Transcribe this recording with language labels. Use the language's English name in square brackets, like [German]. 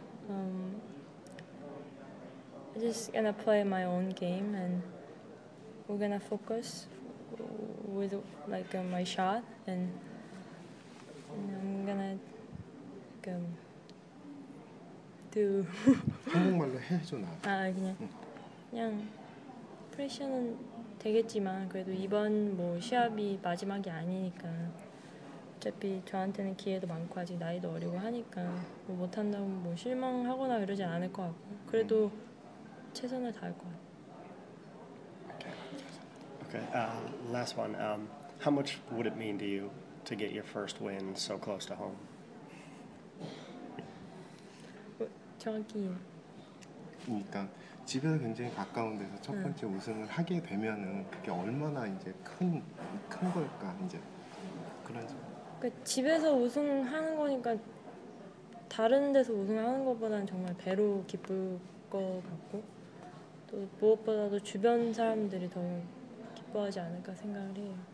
[English] I'm just gonna play my own game and we're gonna focus with like my shot and I'm gonna like, do. [Korean] 한국말로 해줘 나. 아 그냥 응. 그냥 프레셔는 되겠지만 그래도 이번 뭐 시합이 마지막이 아니니까 어차피 저한테는 기회도 많고 아직 나이도 어리고 하니까 뭐 못한다면 뭐 실망하거나 이러지 않을 것 같고 그래도 최선을 다할 것 같아. [English] Okay, last one. How much would it mean to you to get your first win so close to home? [Korean] 정확히. 그러니까 집에서 굉장히 가까운 데서 첫 번째 우승을 하게 되면은 그게 얼마나 이제 큰 걸까 이제 그런 점. 그러니까 집에서 우승하는 거니까 다른 데서 우승하는 것보다는 정말 배로 기쁠 것 같고 또 무엇보다도 주변 사람들이 더 기뻐하지 않을까 생각을 해요.